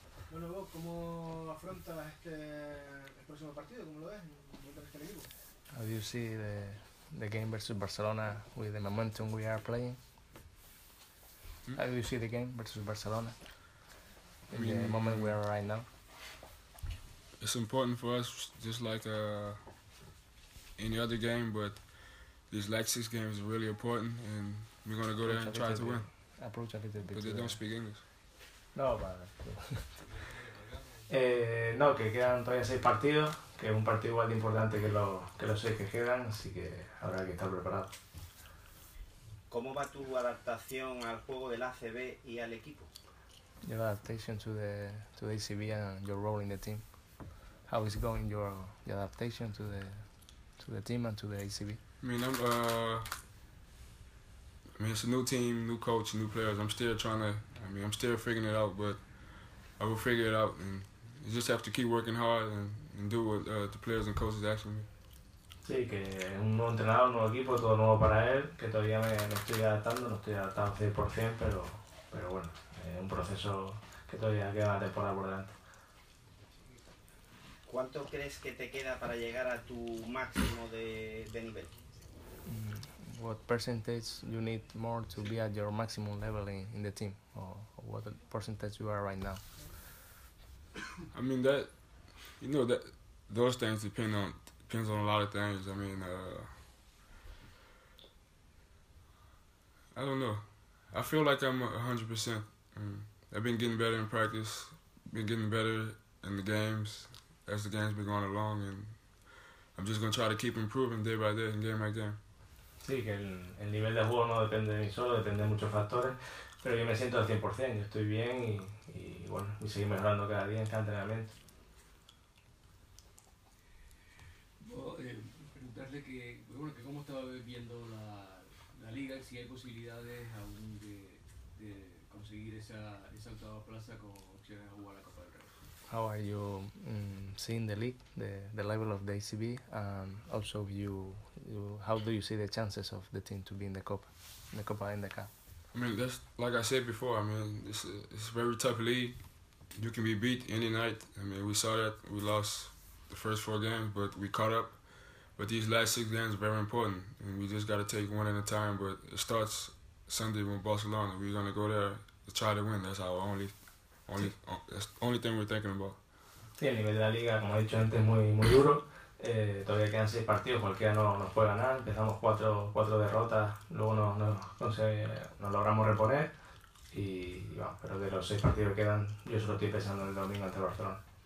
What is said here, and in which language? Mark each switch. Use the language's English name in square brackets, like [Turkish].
[Spanish] Bueno, vos, ¿cómo afrontas este el próximo partido? ¿Cómo lo ves? ¿Cómo te ves el equipo? [English] Have you seen the game versus Barcelona with the momentum we are playing? How do you see the game versus Barcelona in the moment we are right now? It's important for us, just like any other game, but this Leipzig game is really important, and we're going to go there and try to win. Approach a little bit. But they don't speak English. [Spanish] No, vale. no, que quedan todavía 6 partidos, que es un partido igual de importante que los 6 que quedan, así que habrá que estar preparado. ¿Cómo va tu adaptación al juego del ACB y al equipo? [English] Your adaptation to the ACB and your role in the team. How is going your adaptation to the team and to the ACB? I mean, it's a new team, new coach, new players. I'm still figuring it out, but I will figure it out, and you just have to keep working hard and do what the players and coaches ask me. [Spanish] Sí, que es un nuevo entrenador, un nuevo equipo, todo nuevo para él, que todavía no estoy adaptando 100%, pero bueno, es un proceso que todavía queda la temporada por delante. ¿Cuánto crees que te queda para llegar a tu máximo de nivel? [English] What percentage you need more to be at your maximum level in the team, or what percentage you are right now? I mean those things depends on a lot of things. I mean, I don't know. I feel like I'm 100%. I've been getting better in practice, been getting better in the games as the games been going along, and I'm just gonna try to keep improving day by day and game by game. [Spanish] Sí, que el nivel de juego no depende de mí solo, depende de muchos factores, pero yo me siento al 100%, yo estoy bien y bueno, y seguir mejorando cada día en cada entrenamiento. Preguntarle que cómo estaba viendo la liga, si hay posibilidades aún de conseguir esa octava plaza con opciones a jugar la Copa del Rey. [English] How are you seeing the league, the level of the ACB, and also how do you see the chances of the team to be in the Copa and the Cup? I mean, that's like I said before. I mean, it's a very tough league. You can be beat any night. I mean, we saw that. We lost the first 4 games, but we caught up. But these last 6 games are very important, and we just got to take one at a time. But it starts Sunday with Barcelona. We're gonna go there to try to win. That's our only thing we're thinking about. [Spanish] Sí, el nivel de la liga, como he dicho antes, es muy, muy duro. Todavía quedan 6 partidos, cualquiera nos puede ganar. Empezamos 4 derrotas, luego nos logramos reponer. Y bueno, pero de los 6 partidos que quedan, yo solo estoy pensando en el domingo ante Barcelona.